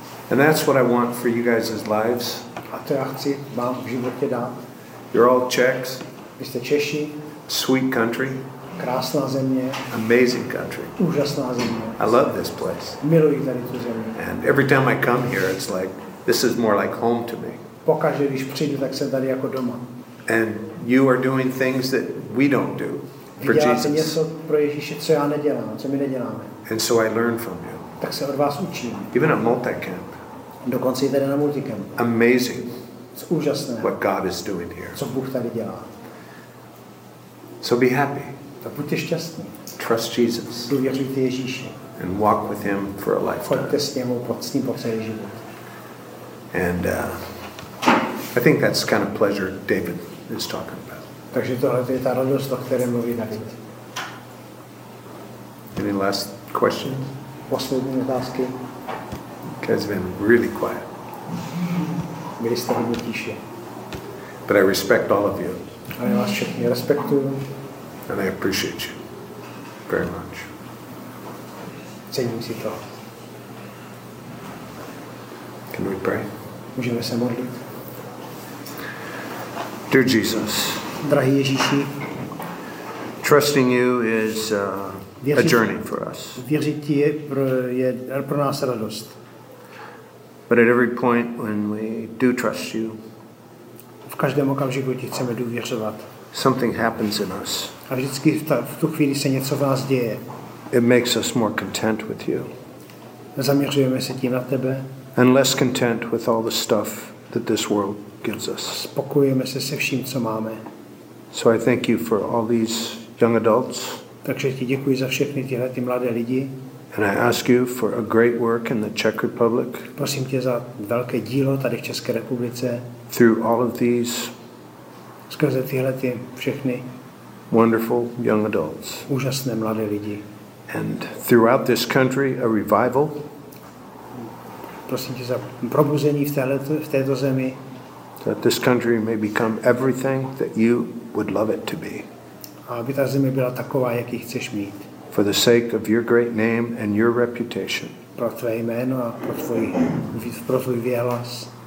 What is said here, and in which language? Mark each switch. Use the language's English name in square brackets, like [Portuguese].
[English] And that's what I want for you guys' lives. [Czech] A to já chci vám v životě dát. [English] You're all Czechs. [Czech] Vy jste Češi. [English] Sweet country. [Czech] Krásná země. [English] Amazing country. [Czech] Úžasná země. [English] I love this place. [Czech] Miluji tady tu zemi. [English] And every time I come here, it's like, this is more like home to me. [Czech] Pokaždé, když přijdu, tak jsem tady jako doma. [English] And you are doing things that we don't do for Jesus. [Czech] Vy děláte něco pro Ježíše, co já nedělám, co my neděláme. [English] And so I learn from you. [Czech] Tak se od vás učím. [English] Even at multi-camp. [Czech] Dokonce i tady na multi-camp. [English] Amazing. [Czech] Co úžasné. [English] What God is doing here. [Czech] Co Bůh tady dělá. [English] So be happy. [Czech] Tak buďte šťastní. [English] Trust Jesus. [Czech] Důvěřujte Ježíši. [English] And walk with him for a lifetime. [Czech] Chodte s ním po celý život. [English] And I think that's kind of pleasure David is talking about. [Czech] Takže tohle je ta radost, o které mluví David. [English] Any last questions? [Czech] Poslední otázky. [English] Guys been really quiet. [Czech] Byli jste hodně tiše. [English] But I respect all of you. [Czech] A já vás všechny respektuju. [English] And I appreciate you very much. [Czech] Cením si to. [English] Can we pray? [Czech] Můžeme se modlit. [English] Dear Jesus. [Czech] Drahý Ježíši. [English] Trusting you is a journey for us. [Czech] Věřit ti je pro nás radost. [English] But at every point when we do trust you, [Czech] v každém okamžiku ti chceme důvěřovat. [English] Something happens in us. [Czech] A vždycky v tu chvíli se něco v nás děje. [English] It makes us more content with you. [Czech] Zaměřujeme se tím na tebe. [English] And less content with all the stuff that this world gives us. [Czech] Spokojujeme se vším, co máme. [English] So I thank you for all these young adults. [Czech] Takže ti děkuji za všechny tyhle ty mladé lidi. [English] And I ask you for a great work in the Czech Republic. [Czech] Prosím tě za velké dílo tady v České republice. [English] Through all of these. [Czech] Skrze tyhle ty všechny. [English] Wonderful young adults. [Czech] Úžasné mladé lidi. [English] And throughout this country a revival. [Czech] Prosím tě za probuzení v této zemi. [English] That this country may become everything that you would love it to be. [Czech] Aby ta země byla taková, jaký chceš mít. [English] For the sake of your great name and your reputation. [Czech] Pro tvé jméno a pro tvůj věhlas.